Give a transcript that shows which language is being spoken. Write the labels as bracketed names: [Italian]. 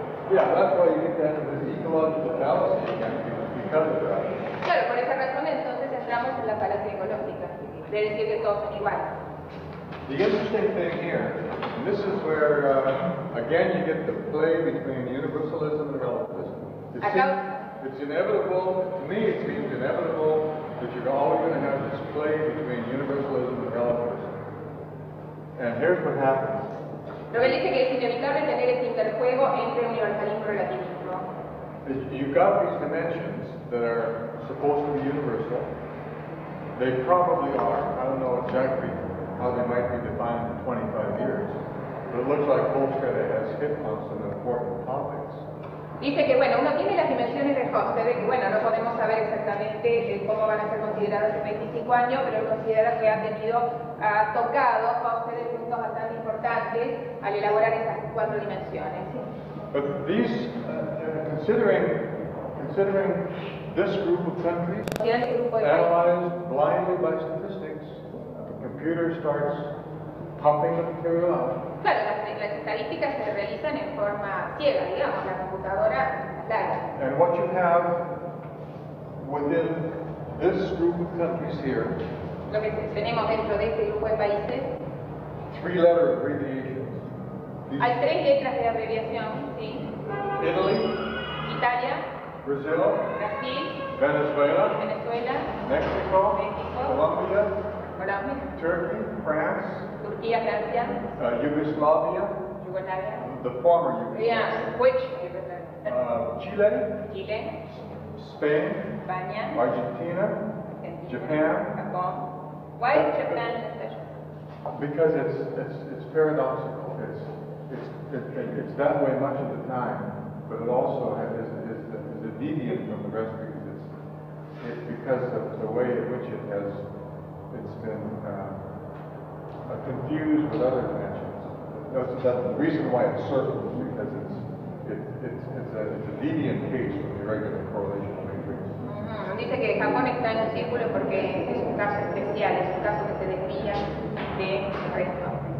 [English] Yeah, that's why you get down to this ecological fallacy again, because of that. [Spanish] Claro, por esa razón entonces entramos en la fallacia ecológica, de decir que todos son iguales. [English] The interesting thing here, and this is where, again, you get the play between universalism and relativism. It's inevitable, to me it seems inevitable, that you're always going to have this play between universalism and relativism. And here's what happens. [Spanish] Robert dice que es inevitable tener este interjuego entre universalismo y relativismo. [English] You've got these dimensions that are supposed to be universal. They probably are. I don't know exactly how they might be defined in 25 years. But it looks like Holstead has hit on some important topics. [Spanish] Dice que, bueno, uno tiene las dimensiones de Holstead, que, bueno, no podemos saber exactamente cómo van a ser consideradas en 25 años, pero considera que ha tenido, ha tocado Holstead en puntos bastante importantes al elaborar esas cuatro dimensiones. [English] But these, considering This group of countries, analyzed blindly by statistics, the computer starts pumping the material out. [Spanish] Claro, las estadísticas se realizan en forma ciega, digamos, la computadora larga. [English] And what you have within this group of countries here, [Spanish] lo que tenemos dentro de este grupo de países, [English] three-letter abbreviations. [Spanish] Hay tres letras de abreviación, sí. [English] Italy, [Spanish] Italia, [English] Brazil, [Spanish] Brasil, [English] Venezuela, Mexico, Colombia, [Spanish] Colombia, [English] Turkey, France, [Spanish] Turquía, Francia, [English] Yugoslavia, [Spanish] Yugoslavia, [English] the former Yugoslavia, yeah, which Chile, [Spanish] Chile, [English] Spain, [Spanish] España, [English] Argentina, Japan. Japan. Why is Japan special? Because it's paradoxical. It's that way much of the time, but it also is a deviant from the rest of it. It's because of the way in which it has it's been confused with other dimensions. That's the reason why it's circled, because it's a deviant case from the regular correlation matrix. [Spanish] Dice que Japón está en un círculo porque es un caso especial, es un caso que se desvía de resto.